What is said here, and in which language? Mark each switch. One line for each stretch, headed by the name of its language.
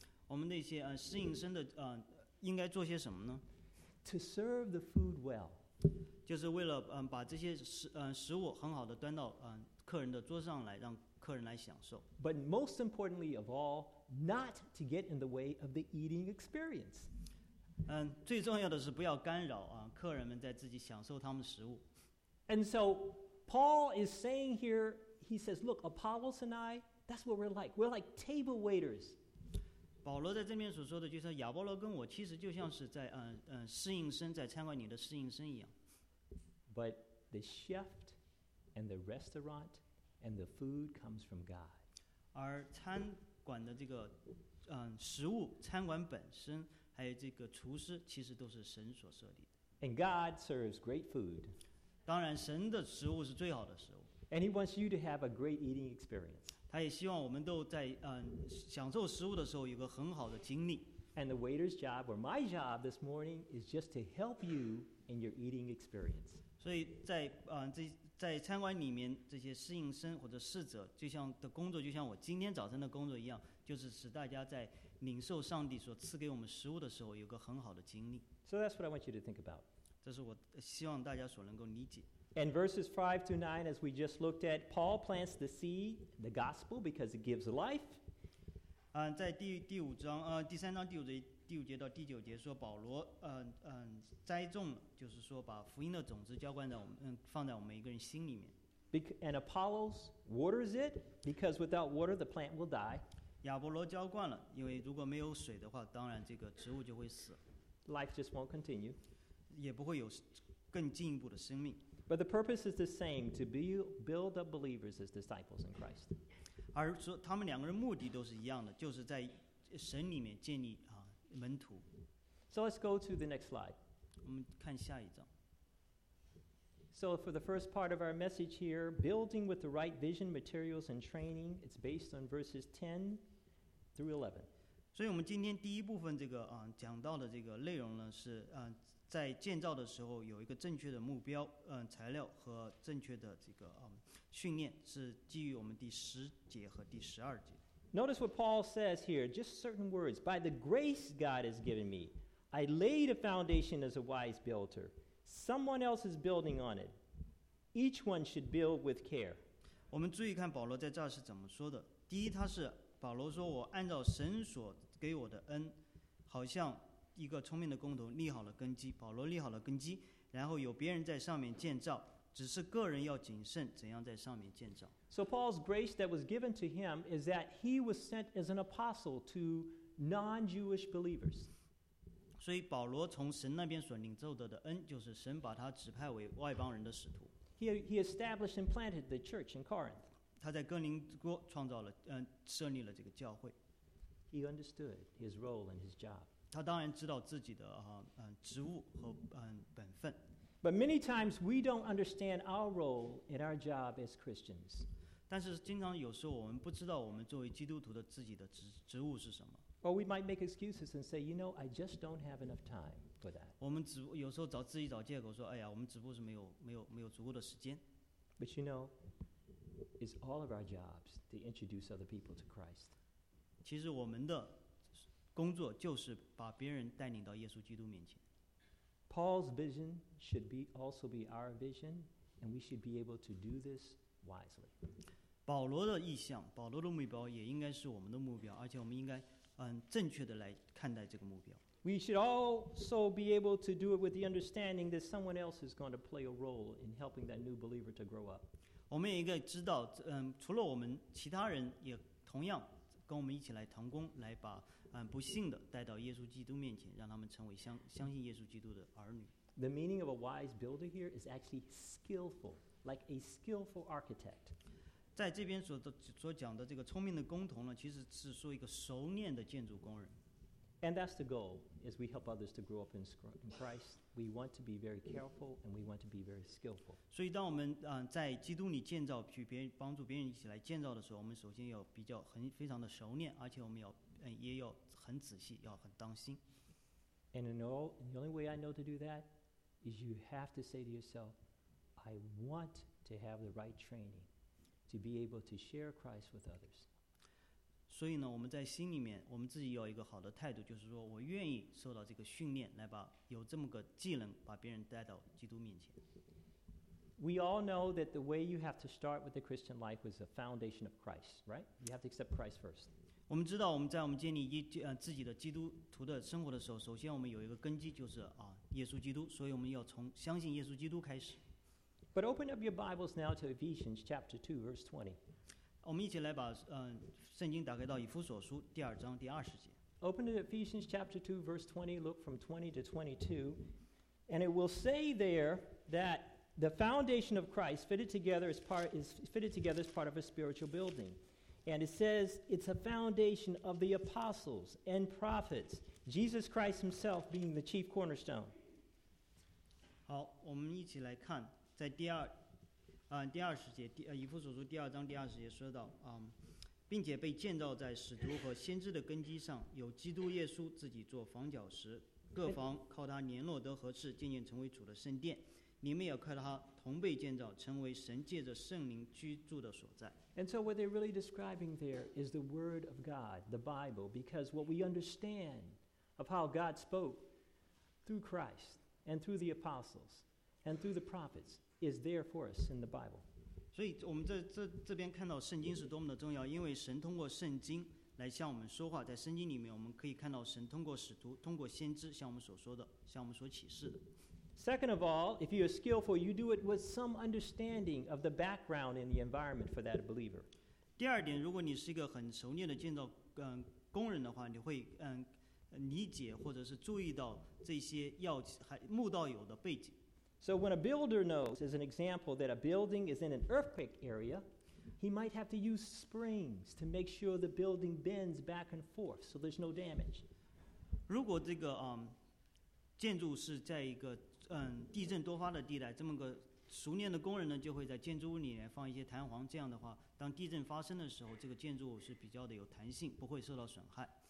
Chinese: 我们那些适应生的应该做些什么呢？
English: To serve the food well.
Chinese: 就是为了把这些食物很好的端到客人的桌上来，让客人来享受。
English: But most importantly of all, not to get in the way of the eating experience.
Chinese: 最重要的是不要干扰客人们在自己享受他们食物。
English: And so Paul is saying here, he says, look, Apollos and I, that's what we're like. We're like table waiters.
Chinese: 保罗在这边所说的，就是亚波罗跟我，其实就像是在适应生，在餐馆里的适应生一样。
English: But the chef and the restaurant and the food comes from God.
Chinese: 而餐馆的这个食物，餐馆本身，还有这个厨师，其实都是神所设立的。
English: And God serves great food.
Chinese: 当然，神的食物是最好的食物。
English: And He wants you to have a great eating experience.
Chinese: 他也希望我们都在享受食物的时候有个很好的经历。
English: And the waiter's job, or my job this morning, is just to help you in your eating experience.
Chinese: 所以在在餐馆里面，这些侍应生或者侍者，就像的工作，就像我今天早晨的工作一样，就是使大家在领受上帝所赐给我们食物的时候，有个很好的经历。
English: So that's what I want you to think about.
Chinese: 这是我希望大家所能够理解。
English: And verses 5 to 9, as we just looked at, Paul plants the seed, the gospel, because it gives life.
Chinese: 在第五节到第九节说保罗栽种了，就是说把福音的种子浇灌在我们放在我们一个人心里面。
English: And Apollos waters it, because without water the plant will die.
Chinese: 亚伯罗浇灌了，因为如果没有水的话，当然这个植物就会死。
English: Life just won't continue.
Chinese: 也不会有更进一步的生命。
English: But the purpose is the same, to build up believers as disciples in Christ.
Chinese: 而说他们两个人目的都是一样的，就是在神里面建立门徒。
English: So let's go to the next slide.
Chinese: 我们看下一张。
English: So for the first part of our message here, building with the right vision, materials, and training, it's based on verses 10 through 11.
Chinese: 所以我们今天第一部分这个讲到的这个内容呢是在建造的时候有一个正确的目标材料和正确的这个训练是基于我们第十节和第十二节。
English: Notice what Paul says here, just certain words. By the grace God has given me, I laid a foundation as a wise builder. Someone else is building on it. Each one should build with care.
Chinese: 我们注意看保罗在这是怎么说的。第一，他是保罗说，我按照神所给我的恩，好像一个聪明的工头立好了根基。保罗立好了根基，然后有别人在上面建造，只是个人要谨慎怎样在上面建造。
English: So Paul's grace that was given to him is that he was sent as an apostle to non-Jewish believers.
Chinese: 所以保罗从神那边所领受的恩，就是神把他指派为外邦人的使徒。
English: He established and planted the church in Corinth.
Chinese: 他在哥林多创造了设立了这个教会。
English: He understood his role and his job.
Chinese: 他当然知道自己的职务和本分。
English: But many times we don't understand our role in our job as Christians.
Chinese: 但是经常有时候我们不知道我们作为基督徒的自己的职务是什么。
English: Or we might make excuses and say, you know, I just don't have enough time for that.
Chinese: 我们有时候自己找借口说，哎呀，我们只不过是没有足够的时间。
English: But you know, it's all of our jobs to introduce other people to Christ.
Chinese: 其实我们的工作就是把别人带领到耶稣基督面前。
English: Paul's vision should be also be our vision, and we should be able to do this wisely.
Chinese: 保罗的意向，保罗的目标也应该是我们的目标，而且我们应该正确的来看待这个目标。
English: We should also be able to do it with the understanding that someone else is going to play a role in helping that new believer to grow up.
Chinese: 我们也应该知道，除了我们，其他人也同样跟我们一起来同工，来把不幸的带到耶稣基督面前，让他们成为相信耶稣基督的儿女。
English: The meaning of a wise builder here is actually skillful, like a skillful architect.
Chinese: 在这边所讲的这个聪明的工头呢，其实是说一个熟练的建筑工人。
English: And that's the goal. As we help others to grow up in Christ, we want to be very careful and we want to be very skillful.
Chinese: 所以当我们在基督里建造，去别人帮助别人一起来建造的时候，我们首先要比较非常的熟练，而且我们要也要很仔细，要很当心。
English: And the only way I know to do that is you have to say to yourself, I want to have the right training to be able to share Christ with others.
Chinese: 所以呢，我们在心里面，我们自己有一个好的态度，就是说我愿意受到这个训练，来把有这么个技能，把别人带到基督面前。
English: We all know that the way you have to start with the Christian life was the foundation of Christ, right? You have to accept Christ first.
Chinese: 我们知道我们在我们建立自己的基督徒的生活的时候，首先我们有一个根基，就是耶稣基督，所以我们要从相信耶稣基督开始。
English: But open up your Bibles now to Ephesians chapter 2, verse 20.
Chinese: 我们一起来把圣经打开到以弗所书第二章第二十节。
English: Open to Ephesians chapter 2, verse 20, look from 20 to 22, and it will say there that the foundation of Christ fitted together as part of a spiritual building. And it says it's a foundation of the apostles and prophets, Jesus Christ himself being the chief cornerstone.
Chinese: 好，我们一起来看，在第二，第二十节，以弗所书第二章第二十节说到，并且被建造在使徒和先知的根基上，有基督耶稣自己做房角石，各房靠他联络得合适，渐渐成为主的圣殿。你们也靠他同被建造，成为神借着圣灵居住的所在。
English: And so what they're really describing there is the Word of God, the Bible, because what we understand of how God spoke through Christ and through the apostles and through the prophets is there for us in the Bible.
Chinese: 所以我们这边看到圣经是多么的重要，因为神通过圣经来向我们说话。在圣经里面，我们可以看到神通过使徒、通过先知向我们所说的、向我们所启示的。
English: Second of all, if you are skillful, you do it with some understanding of the background and the environment for that believer.
Chinese: 第二点，如果你是一个很熟练的建造工人的话，你会理解或者是注意到这些要还慕道友的背景。
English: So when a builder knows, as an example, that a building is in an earthquake area, he might have to use springs to make sure the building bends back and forth so there's no damage.
Chinese: 如果这个建筑是在一个地震多发的地带，这么个熟练的工人呢，就会在建筑物里面放一些弹簧，这样的话，当地震发生的时候，这个建筑物是比较的有弹性，不会受到损害。